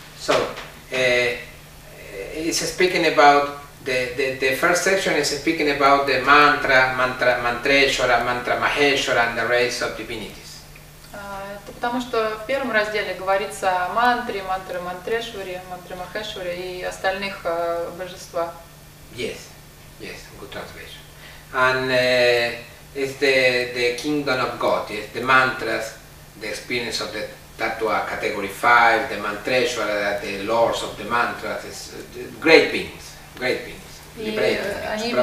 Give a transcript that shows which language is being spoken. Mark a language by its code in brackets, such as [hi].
[en] So, it's speaking about, the first section is speaking about the mantra, Mantreshwara, mantra Maheshwara and the race of divinities. [ru] Это потому что в первом разделе говорится о мантре, мантре Мантрешваре, мантре Махешваре и остальных божествах. [en] Yes, yes, good translation. And it's the kingdom of God, yes, the mantras, the experience of the Tattva category 5, the Mantreshwara, the lords of the mantras, it's great beings,